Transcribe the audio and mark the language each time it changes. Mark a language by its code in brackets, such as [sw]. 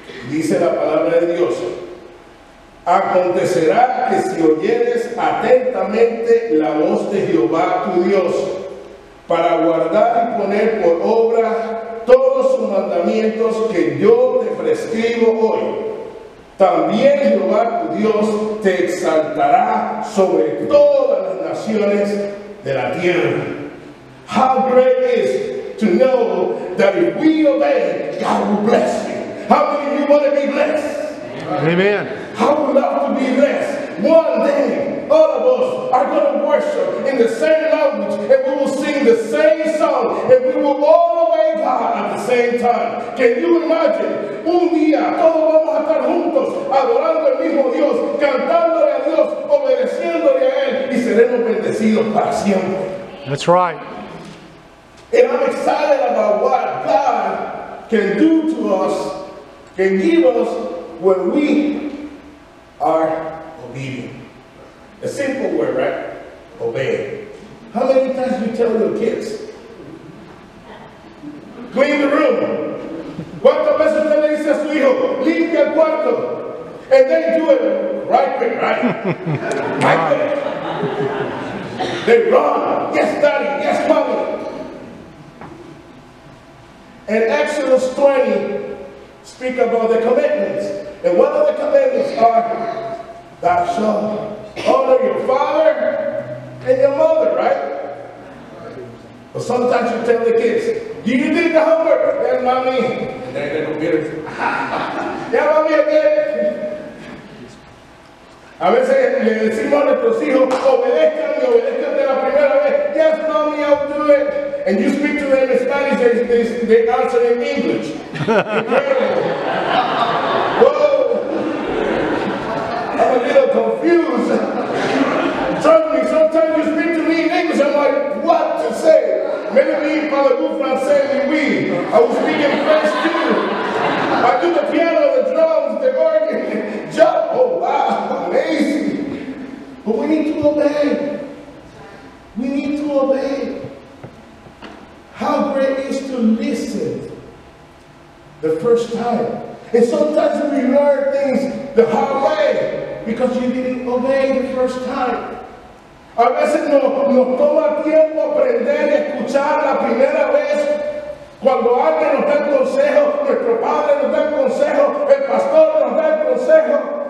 [es] Dice la palabra de Dios: acontecerá que si oyeres atentamente la voz de Jehová tu Dios, para guardar y poner por obra todos sus mandamientos que yo te presento, te escribo hoy, también Jehová tu Dios te exaltará sobre todas las naciones de la tierra. [en] How great is to know that if we obey, God will bless you. How many of you want to be blessed? Amen. How would love to be blessed? One day, all of us are going to worship in the same language, and we will sing the same song, and we will all obey God at the same time. Can you imagine? [es] Un día, todos vamos a estar juntos, adorando al mismo Dios, cantándole a Dios, obedeciéndole a Él, y seremos bendecidos para siempre. [en] That's right. And I'm excited about what God can do to us, can give us when we are obedient. A simple word, right? Obey. How many times do you tell your kids? Clean the room. [es] ¿Cuántas veces usted le dice a su hijo, limpia el cuarto? [en] And they do it right quick, right? Right quick. They run. Yes, daddy. Yes, mommy. And Exodus 20 speak about the commandments. And one of the commandments are, thou shalt honor your father and your mother, right? But sometimes you tell the kids, you did the homework, and mommy. And then they go get it. Yeah, mommy, again. [es] A veces le decimos a nuestros hijos, obedezcan y obedezcan de la primera vez. [en] Yes, mommy, I'll do it. And you speak to them in Spanish, they answer in English. Whoa! I'm a little confused. Suddenly, sometimes you speak to me in English, I'm like, what to say? Maybe I [fr] parle un français, oui. [en] I will speak in French too. I do the piano, the drums, the organ, jump. Oh, wow, amazing. But we need to obey. We need to obey. How great is to listen the first time. And sometimes we learn things the hard way because you didn't obey the first time. [es] A veces nos toma tiempo aprender y escuchar la primera vez. Cuando alguien nos da el consejo, nuestro padre nos da el consejo, el pastor nos da el consejo.